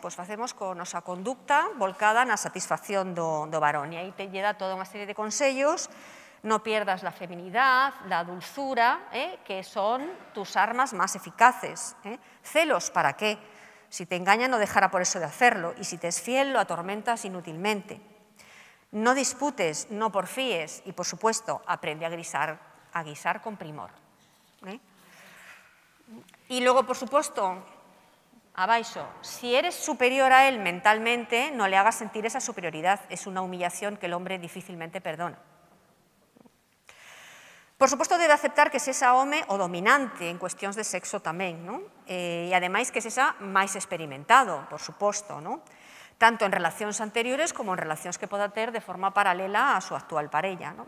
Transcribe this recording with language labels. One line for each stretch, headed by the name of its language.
Galician: Pois facemos con nosa conducta volcada na satisfacción do varón. E aí te lle dá toda unha serie de consellos.
Spanish: No pierdas la feminidad, la dulzura, que son tus armas más eficaces. ¿Celos para qué? Si te engaña no dejará por eso de hacerlo y si te es fiel lo atormentas inútilmente. No disputes, no porfíes y por supuesto aprende a guisar con primor. Y luego por supuesto, abaixo, si eres superior a él mentalmente no le hagas sentir esa superioridad, es una humillación que el hombre difícilmente perdona.
Galician: Por suposto, debe aceptar que sexa home o dominante en cuestións de sexo tamén, non? E ademais que sexa máis experimentado, por suposto, non? Tanto en relacións anteriores como en relacións que poda ter de forma paralela a súa actual parella, non?